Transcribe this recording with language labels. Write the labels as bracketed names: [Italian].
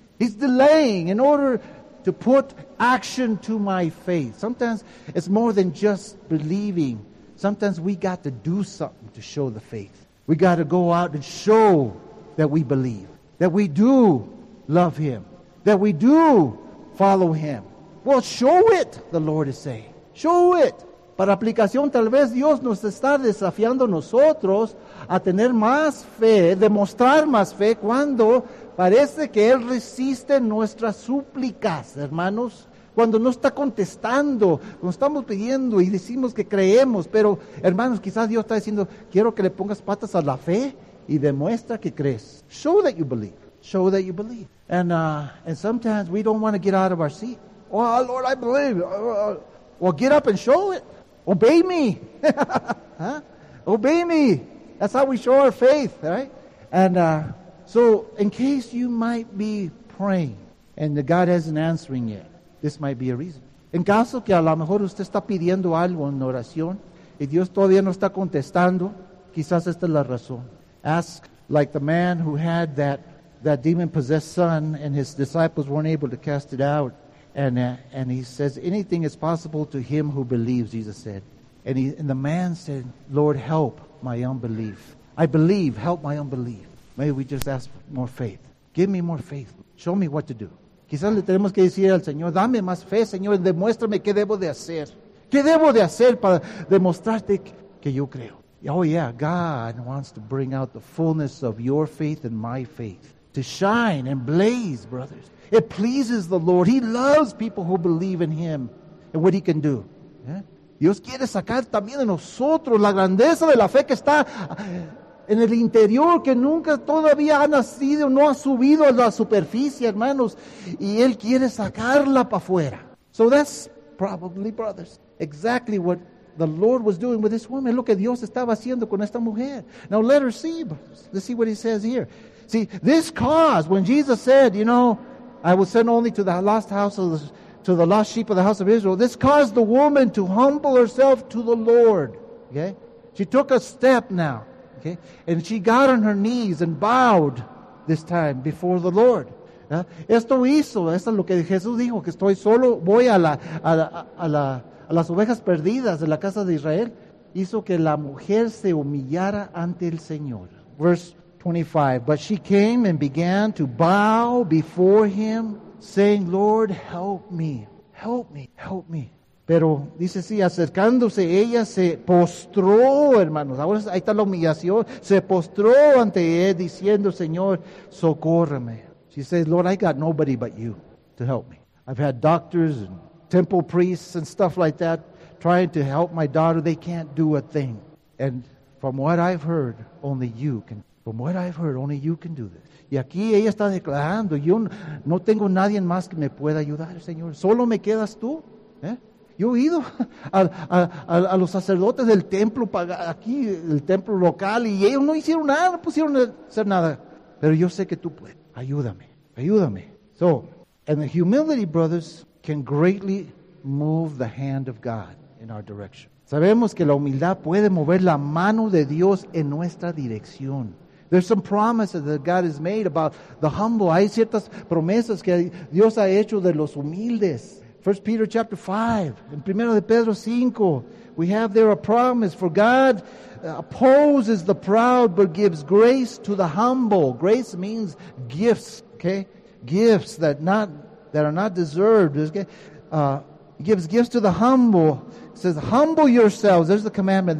[English] He's delaying in order to put action to my faith. Sometimes it's more than just believing. Sometimes we got to do something to show the faith. We got to go out and show that we believe, that we do love him, that we do follow him. Well, show it, the Lord is saying. Show it. [Spanish] Para aplicación, tal vez Dios nos está desafiando nosotros a tener más fe, demostrar más fe, cuando parece que Él resiste nuestras súplicas, hermanos. Cuando no está contestando, cuando estamos pidiendo y decimos que creemos, pero, hermanos, quizás Dios está diciendo, quiero que le pongas patas a la fe y demuestra que crees. [English] Show that you believe. Show that you believe. And sometimes we don't want to get out of our seat. Oh, Lord, I believe. Well, get up and show it. Obey me. Huh? Obey me. That's how we show our faith, right? So in case you might be praying and the God isn't answering yet, this might be a reason. [Spanish] En caso que a lo mejor usted está pidiendo algo en oración y Dios todavía no está contestando, quizás esta es la razón. [English] Ask like the man who had that demon-possessed son and his disciples weren't able to cast it out. And he says, anything is possible to him who believes, Jesus said. And the man said, Lord, help my unbelief. I believe, help my unbelief. Maybe we just ask for more faith. Give me more faith. Show me what to do. [Spanish] Quizás le tenemos que decir al Señor, dame más fe, Señor, demuéstrame qué debo de hacer. ¿Qué debo de hacer para demostrarte que yo creo? [English] Oh, yeah, God wants to bring out the fullness of your faith and my faith to shine and blaze, brothers. It pleases the Lord. He loves people who believe in him and what he can do. ¿Eh? [Spanish] Dios quiere sacar también de nosotros la grandeza de la fe que está en el interior, que nunca todavía ha nacido, no ha subido a la superficie, hermanos. Y Él quiere sacarla para afuera. [English] So that's probably, brothers, exactly what the Lord was doing with this woman. [Spanish] Lo que Dios estaba haciendo con esta mujer. [English] Now let her see, brothers. Let's see what he says here. See, this cause, when Jesus said, you know, I was sent only to the lost house of the, to the lost sheep of the house of Israel. This caused the woman to humble herself to the Lord. Okay? She took a step now. Okay? And she got on her knees and bowed this time before the Lord. [Spanish] Esto hizo, esto es lo que Jesús dijo, que estoy solo, voy a las ovejas perdidas de la casa de Israel. Hizo que la mujer se humillara ante el Señor. [English] Verse 25, but she came and began to bow before him, saying, Lord, help me, help me, help me. [Spanish] Pero dice, sí, acercándose, ella se postró, hermanos. Ahora ahí está la humillación. Se postró ante él, diciendo, Señor, socórreme. [English] She says, Lord, I got nobody but you to help me. I've had doctors and temple priests and stuff like that trying to help my daughter. They can't do a thing. And from what I've heard, only you can. From what I've heard, only you can do this. [Spanish] Y aquí ella está declarando, yo no tengo nadie más que me pueda ayudar, Señor. Solo me quedas tú. ¿Eh? Yo he ido a los sacerdotes del templo, aquí, el templo local, y ellos no hicieron nada, no pusieron hacer nada. Pero yo sé que tú puedes. Ayúdame, ayúdame. [English] So, and the humility, brothers, can greatly move the hand of God in our direction. [Spanish] Sabemos que la humildad puede mover la mano de Dios en nuestra dirección. [English] There's some promises that God has made about the humble. [Spanish] Hay ciertas promesas que Dios ha hecho de los humildes. [English] 1 Peter chapter 5, [Spanish] en 1 de Pedro 5, [English] we have there a promise. For God opposes the proud, but gives grace to the humble. Grace means gifts, okay? Gifts that are not deserved. Okay? Gives gifts to the humble. It says, humble yourselves. There's the commandment.